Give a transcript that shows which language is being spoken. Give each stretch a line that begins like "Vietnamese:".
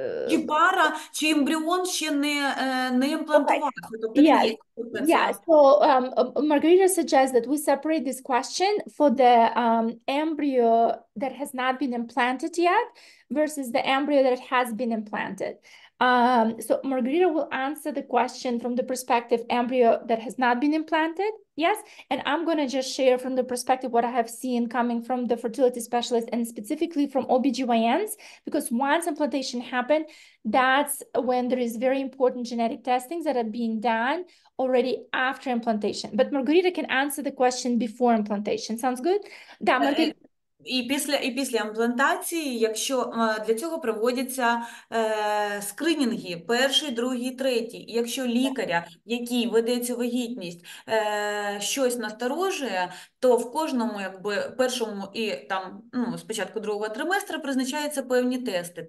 Ukrainian: чи пара, чи ембріон ще не імплантувався?
English: Okay. So Margarita suggests that we separate this question for the embryo that has not been implanted yet versus the embryo that has been implanted. So Margarita will answer the question from the perspective embryo that has not been implanted. Yes, and I'm going to just share from the perspective what I have seen coming from the fertility specialist and specifically from OBGYNs, because once implantation happened, that's when there is very important genetic testings that are being done already after implantation. But Margarita can answer the question before implantation. Sounds good?
Ukrainian: Да, Margarita. І після імплантації, якщо для цього проводяться скринінги, перший, другий, третій. Якщо лікаря, який веде цю вагітність, щось насторожує, то в кожному, якби першому і там, ну, спочатку другого триместра призначаються певні тести.